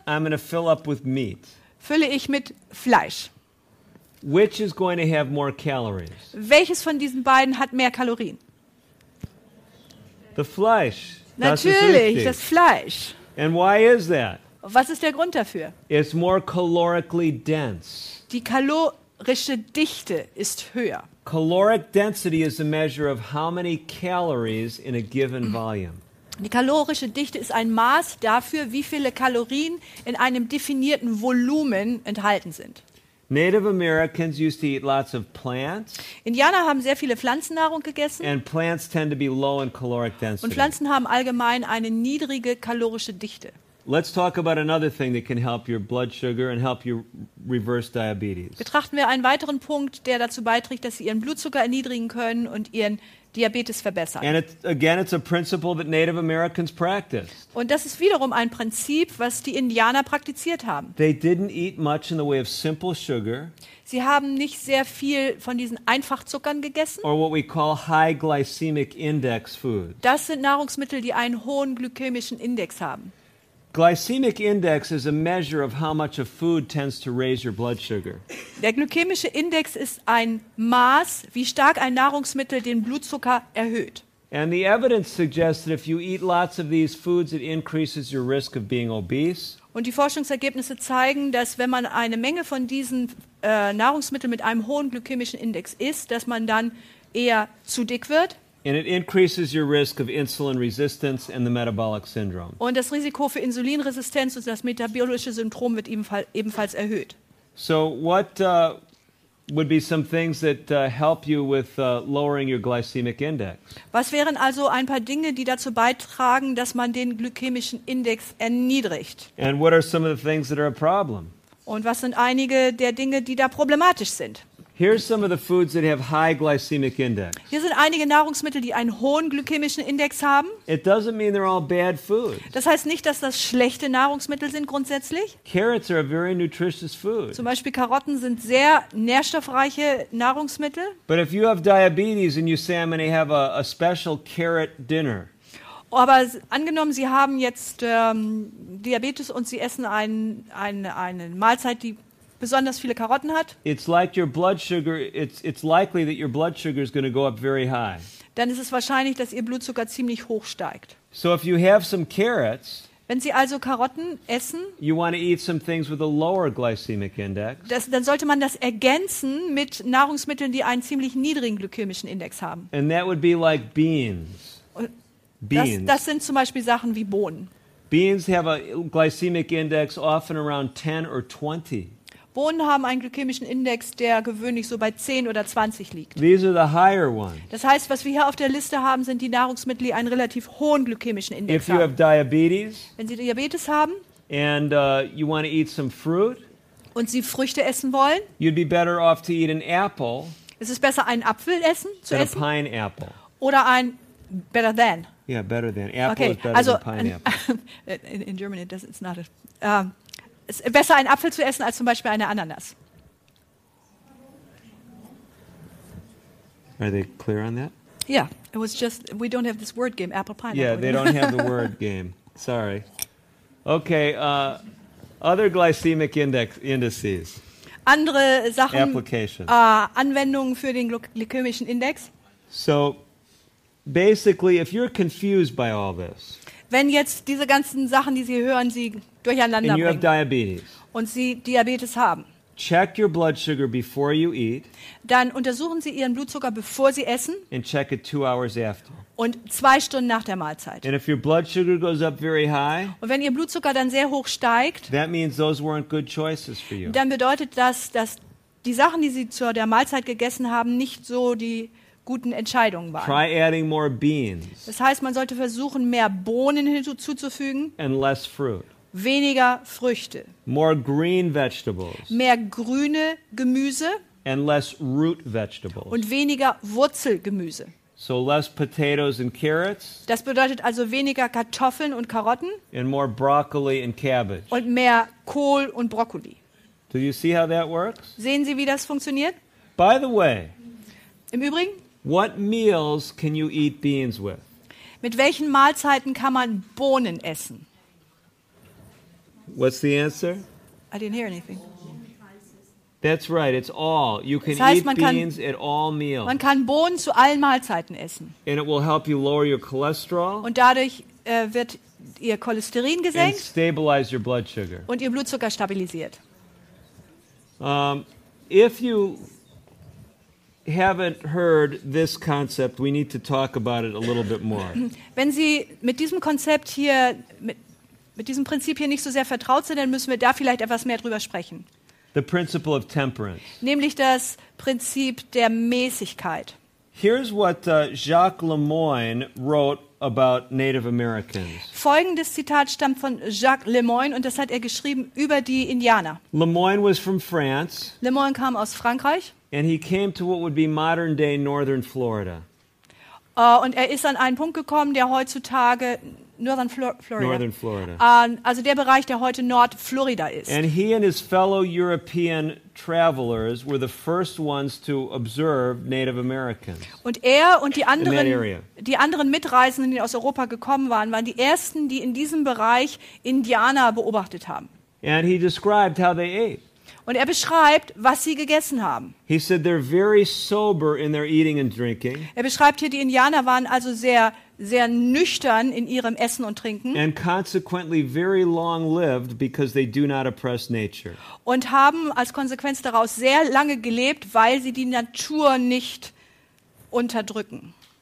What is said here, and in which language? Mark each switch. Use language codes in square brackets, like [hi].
[en] I'm going to fill up with meat. [de] Fülle ich mit Fleisch. [en] Which is going to have more calories? [de] Welches von diesen beiden hat mehr Kalorien? [en] The [de] Fleisch. Natürlich, das Fleisch. [en] And why is that? [de] Was ist der Grund dafür? [en] It's more calorically dense. [de] Die kalorische Dichte ist höher. [en] Caloric density is a measure of how many calories in a given volume. [de] Die kalorische Dichte ist ein Maß dafür, wie viele Kalorien in einem definierten Volumen enthalten sind. [en] Native Americans used to eat lots of plants. [de] Indianer haben sehr viele Pflanzennahrung gegessen. [en] And plants tend to be low in caloric density. [de] Und Pflanzen haben allgemein eine niedrige kalorische Dichte. [en] Let's talk about another thing that can help your blood sugar and help you reverse diabetes. [de] Betrachten wir einen weiteren Punkt, der dazu beiträgt, dass Sie Ihren Blutzucker erniedrigen können und Ihren Diabetes verbessern. [en] And it's a principle that Native Americans practiced. [de] Und das ist wiederum ein Prinzip, was die Indianer praktiziert haben. [en] They didn't eat much in the way of simple sugar. [de] Sie haben nicht sehr viel von diesen Einfachzuckern gegessen. [en] Or what we call high glycemic index foods. [de] Das sind Nahrungsmittel, die einen hohen glykämischen Index haben. [en] Glycemic index is a measure of how much a food tends to raise your blood sugar. [de] Der glykämische Index ist ein Maß, wie stark ein Nahrungsmittel den Blutzucker erhöht. [en] And the evidence suggests that if you eat lots of these foods, it increases your risk of being obese. [de] Und die Forschungsergebnisse zeigen, dass wenn man eine Menge von diesen Nahrungsmitteln mit einem hohen glykämischen Index isst, dass man dann eher zu dick wird. [en] And it increases your risk of insulin resistance and the metabolic syndrome. [de] Und das Risiko für Insulinresistenz und das metabolische Syndrom wird ebenfalls erhöht. [en] So what would be some things that help you with lowering your glycemic index? [de] Was wären also ein paar Dinge, die dazu beitragen, dass man den glykämischen Index erniedrigt? [en] And what are some of the things that are a problem? [de] Und was sind einige der Dinge, die da problematisch sind? [en] Here's some of the foods that have high glycemic index. [de] Hier sind einige Nahrungsmittel, die einen hohen glykämischen Index haben. [en] It doesn't mean they're all bad foods. [de] Das heißt nicht, dass das schlechte Nahrungsmittel sind grundsätzlich. [en] Carrots are a very nutritious food. [de] Zum Beispiel Karotten sind sehr nährstoffreiche Nahrungsmittel. [en] But if you have diabetes and you say I'm going to have a special carrot dinner. [de] Aber angenommen, Sie haben jetzt Diabetes und Sie essen eine Mahlzeit, die besonders viele Karotten hat. [en] It's like your blood sugar, it's likely that your blood sugar is going to go up very high. [de] Dann ist es wahrscheinlich, dass Ihr Blutzucker ziemlich hoch steigt. [en] So if you have some carrots, [de] Wenn Sie also Karotten essen, [en] you want to eat some things with a lower glycemic index. [de] Dann sollte man das ergänzen mit Nahrungsmitteln, die einen ziemlich niedrigen glykämischen Index haben. [en] And that would be like beans. [de] Das sind zum Beispiel Sachen wie Bohnen. [en] Beans have a glycemic index often around 10 or 20. [de] Bohnen haben einen glykämischen Index, der gewöhnlich so bei 10 oder 20 liegt. [en] These are the higher ones. [de] Das heißt, was wir hier auf der Liste haben, sind die Nahrungsmittel, die einen relativ hohen glykämischen Index [en] If [de] haben. [en] You have diabetes, [de] wenn Sie Diabetes haben [en] and, you want to eat some fruit, [de] und Sie Früchte essen wollen, [en] you'd be better off to eat an apple, [de] es ist besser, einen Apfel essen, zu [en] than [de] essen [en] a pineapple. [de] Oder ein [en] better than. Yeah, better than. Apple okay, is better also than pineapple. In German it doesn't, it's not a... [de] Es ist besser, einen Apfel zu essen, als zum Beispiel eine Ananas. [en] Are they clear on that? Yeah, it was just, we don't have this word game, apple pineapple. Yeah, they don't have the word game. Sorry. Okay, other glycemic indices. [de] Andere Sachen, [en] Applications. [de] Anwendungen für den glykämischen Index. [en] So, basically, if you're confused by all this, [de] wenn jetzt diese ganzen Sachen, die Sie hören, Sie durcheinander [en] and you [de] bringen [en] have diabetes, [de] und Sie Diabetes haben, [en] check your blood sugar before you eat, [de] dann untersuchen Sie Ihren Blutzucker, bevor Sie essen, [en] and check it 2 hours after. [de] Und 2 Stunden nach der Mahlzeit. [en] And if your blood sugar goes up very high, [de] und wenn Ihr Blutzucker dann sehr hoch steigt, [en] that means those weren't good choices for you. [de] Dann bedeutet das, dass die Sachen, die Sie zu der Mahlzeit gegessen haben, nicht so die guten Entscheidungen waren. [en] Try adding more beans. [de] Das heißt, man sollte versuchen, mehr Bohnen hinzuzufügen. [en] And less fruit. [de] Weniger Früchte. [en] More green vegetables. [de] Mehr grüne Gemüse. [en] And less root vegetables. [de] Und weniger Wurzelgemüse. [en] So less potatoes and carrots. [de] Das bedeutet also weniger Kartoffeln und Karotten. [en] And more broccoli and cabbage. [de] Und mehr Kohl und Brokkoli. [en] Do you see how that works? [de] Sehen Sie, wie das funktioniert? [en] By the way, [de] im Übrigen, [en] what meals can you eat beans with? [de] Mit welchen Mahlzeiten kann man Bohnen essen? [en] What's the answer? I didn't hear anything. That's right, it's all. You can [de] das heißt, [en] eat [de] kann, [en] beans at all meals. [de] Man kann Bohnen zu allen Mahlzeiten essen. [en] And it will help you lower your cholesterol. [de] Und dadurch wird Ihr Cholesterin gesenkt. [en] And stabilize your blood sugar. [de] Und Ihr Blutzucker stabilisiert. [en] If you haven't heard this concept, we need to talk about it a little bit more. [de] Wenn Sie mit diesem Konzept hier, mit diesem Prinzip hier nicht so sehr vertraut sind, dann müssen wir da vielleicht etwas mehr drüber sprechen. [en] The principle of temperance. [de] Nämlich das Prinzip der Mäßigkeit. [en] Here's what Jacques Lemoyne wrote about Native Americans. [de] Folgendes Zitat stammt von Jacques Lemoyne und das hat er geschrieben über die Indianer. [en] Lemoyne was from France. [de] Lemoyne kam aus Frankreich. [en] And he came to what would be modern-day northern Florida. [de] Und er ist an einen Punkt gekommen, der heutzutage [en] northern Florida. Northern Florida. [de] Also der Bereich, der heute Nordflorida ist. [en] And he and his fellow European travelers were the first ones to observe Native Americans. [de] Und er und die anderen Mitreisenden, die aus Europa gekommen waren, waren die ersten, die in diesem Bereich Indianer beobachtet haben. [en] And he described how they ate. [de] Und er beschreibt, was sie gegessen haben. [en] He said they're very sober in their eating and drinking. [de] Er beschreibt hier, die Indianer waren also sehr, sehr nüchtern in ihrem Essen und Trinken. [en] And consequently very long lived because they do not oppress nature. [de] Und haben als Konsequenz daraus sehr lange gelebt, weil sie die Natur nicht unterdrücken.